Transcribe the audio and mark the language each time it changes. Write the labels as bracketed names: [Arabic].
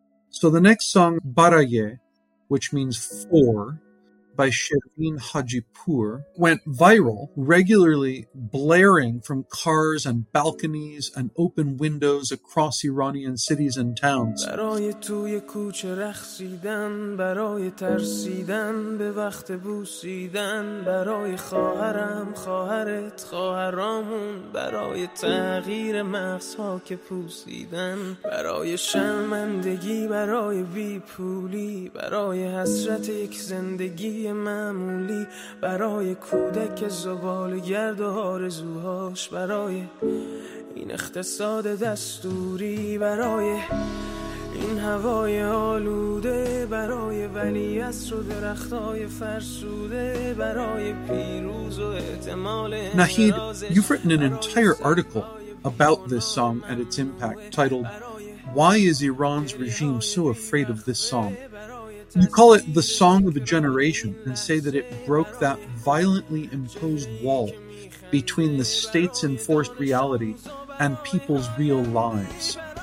[English] So the next song, Baraye, which means for, by Shervin Hajipur, went viral, regularly blaring from cars and balconies and open windows across Iranian cities and towns. [Persian] برای توی کوچه رخصیدن برای ترسیدن به وقت بوسیدن برای خواهرم خواهرت خواهرامون برای تغییر مغزها که پوسیدن برای شرمندگی برای بیپولی برای حسرت یک زندگی معمولی برای کودک زبال گرد و آرزوهاش برای این اقتصاد دستوری برای این هوای آلوده برای ولیعصر و درختهای فرسوده برای پیروز و احتمال [English] Nahid, you've written an entire article about this song and its impact titled Why is Iran's regime so afraid of this song? You call it the song of a generation and say that it broke that violently imposed wall between the state's enforced reality and people's real lives.